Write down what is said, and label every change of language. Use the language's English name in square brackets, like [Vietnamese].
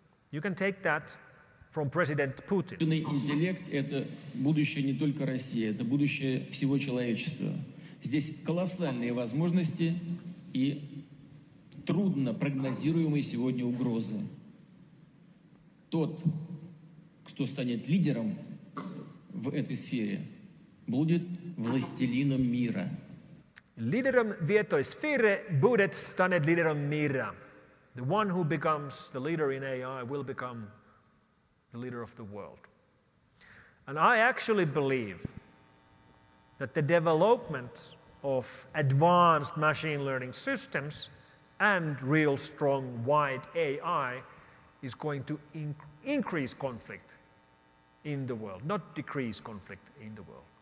[English] You can take that from President Putin. Artificial intelligence is the future not only of Russia, it's the future of all humanity. There are colossal opportunities and hard to prognose today's threats. [Russian] Тот, кто станет лидером в этой сфере, будет властелином мира. Лидером в этой сфере будет станет лидером мира. [English] The one who becomes the leader in AI will become the leader of the world. And I actually believe that the development of advanced machine learning systems and real strong wide AI is going to increase conflict in the world, not decrease conflict in the world.